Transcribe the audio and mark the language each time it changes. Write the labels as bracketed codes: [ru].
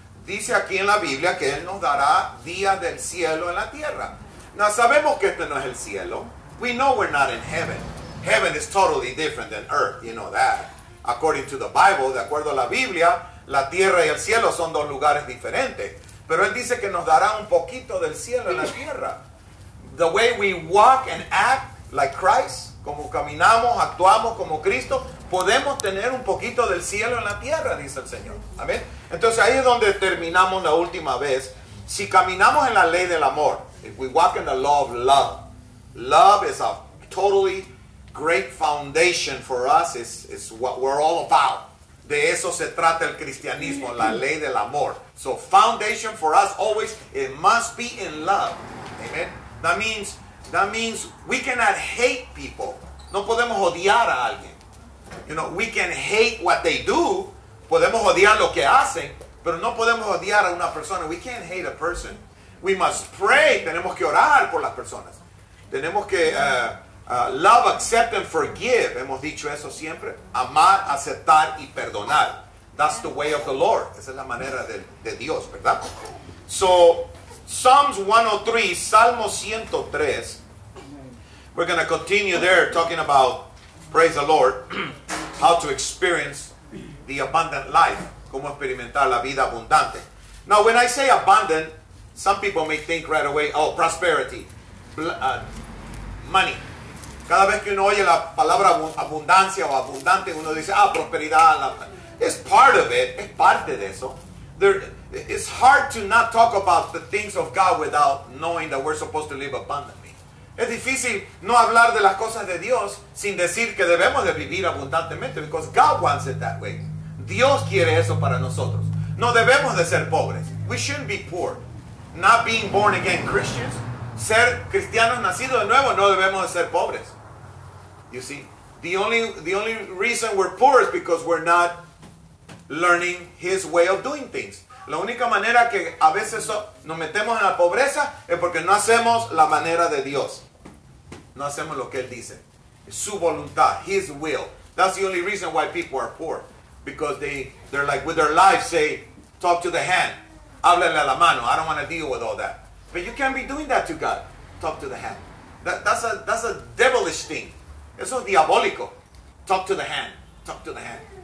[es] Dice aquí en la Biblia que Él nos dará días del cielo en la tierra. Now, sabemos que este no es el cielo. [en] We know we're not in heaven. Heaven is totally different than earth, you know that. According to the Bible, [es] de acuerdo a la Biblia, la tierra y el cielo son dos lugares diferentes. Pero Él dice que nos dará un poquito del cielo en la tierra. [en] The way we walk and act like Christ, [es] como caminamos, actuamos como Cristo, podemos tener un poquito del cielo en la tierra, dice el Señor. Amén. Entonces ahí es donde terminamos la última vez. Si caminamos en la ley del amor, [en] if we walk in the law of love, love is a totally great foundation for us. It's what we're all about. [es] De eso se trata el cristianismo, la ley del amor. [en] So foundation for us always, it must be in love. Amen. That means we cannot hate people. [es] No podemos odiar a alguien. [en] You know, we can hate what they do. [es] Podemos odiar lo que hacen, pero no podemos odiar a una persona. [en] We can't hate a person. We must pray. [es] Tenemos que orar por las personas. Tenemos que [en] love, accept, and forgive. [es] Hemos dicho eso siempre. Amar, aceptar, y perdonar. [en] That's the way of the Lord. [es] Esa es la manera de Dios, ¿verdad? [en] So, Psalms 103, Salmo 103. We're going to continue there talking about, praise the Lord, how to experience the abundant life. [es] Cómo experimentar la vida abundante. [en] Now, when I say abundant, some people may think right away, oh, prosperity, money. [es] Cada vez que uno oye la palabra abundancia o abundante, uno dice, ah, prosperidad. [en] It's part of it. [es] Es parte de eso. [en] It's hard to not talk about the things of God without knowing that we're supposed to live abundantly. [es] Es difícil no hablar de las cosas de Dios sin decir que debemos de vivir abundantemente, [en] because God wants it that way. [es] Dios quiere eso para nosotros. No debemos de ser pobres. [en] We shouldn't be poor. Not being born again Christians. [es] Ser cristianos nacidos de nuevo, no debemos de ser pobres. [en] You see, the only reason we're poor is because we're not learning His way of doing things. [es] La única manera que a veces nos metemos en la pobreza es porque no hacemos la manera de Dios. No hacemos lo que Él dice. Su voluntad, [en] His will. That's the only reason why people are poor. Because they're like with their lives say, talk to the hand. [es] Háblale a la mano. [en] I don't want to deal with all that. But you can't be doing that to God. Talk to the hand. That's a devilish thing. [es] Eso es diabólico. [en] Talk to the hand. Talk to the hand.